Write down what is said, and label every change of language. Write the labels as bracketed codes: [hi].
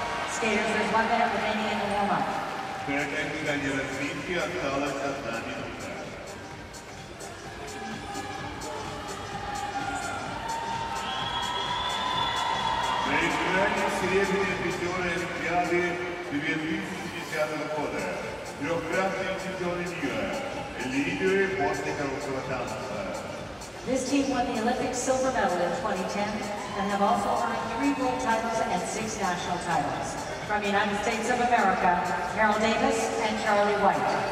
[en] Skaters, there's 1 minute remaining in the warm-up. [ru] Переиграние серебряной призёры Олимпиады 2010 года. Трёхкратные чемпионы мира. Лидеры после короткого танца. [en] This team won the Olympic silver medal in 2010 and have also earned 3 gold titles and 6 national titles. From the United States of America, Meryl Davis and Charlie White.